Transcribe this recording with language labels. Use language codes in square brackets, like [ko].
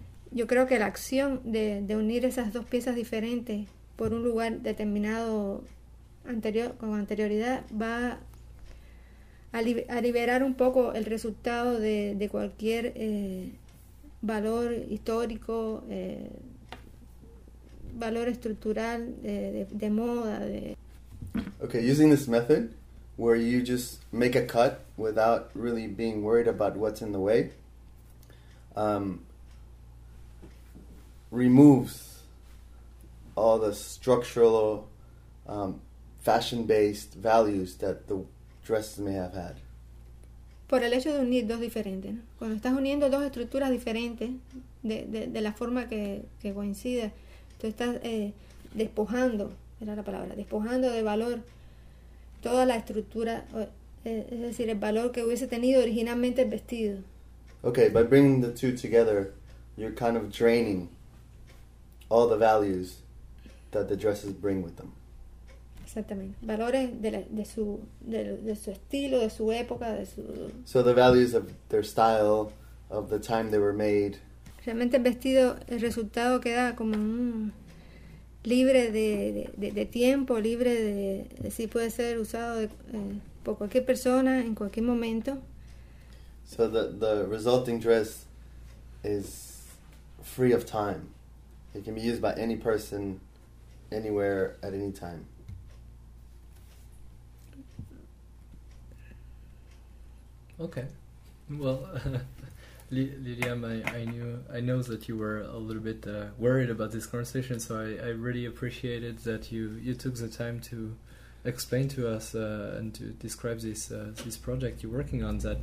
[es] Yo creo que la acción de unir esas dos piezas diferentes por un lugar determinado con anterioridad va a liberar un poco el resultado de cualquier valor histórico, valor estructural de moda, de. [en] Okay, using this method where you just make a cut without really being worried about what's in the way, removes all the structural, fashion-based values that the dress may have had. [es] Por el hecho de unir dos diferentes, ¿no? Cuando estás uniendo dos estructuras diferentes de la forma que coincida, tú estás despojando, era la palabra, despojando de valor toda la estructura, es decir, el valor que hubiese tenido originalmente el vestido. [en] Okay, by bringing the two together, you're kind of draining all the values that the dresses bring with them. [es] Exactamente, valores de su estilo, de su época, de su. [en] So the values of their style, of the time they were made. [es] Realmente el vestido, el resultado queda como un libre de tiempo, libre de si puede ser usado por cualquier persona, en cualquier momento. [en] So the resulting dress is free of time. It can be used by any person, anywhere, at any time. Okay, well, Liliam, I know that you were a little bit worried about this conversation, so I really appreciated that you took the time to explain to us and to describe this this project you're working on.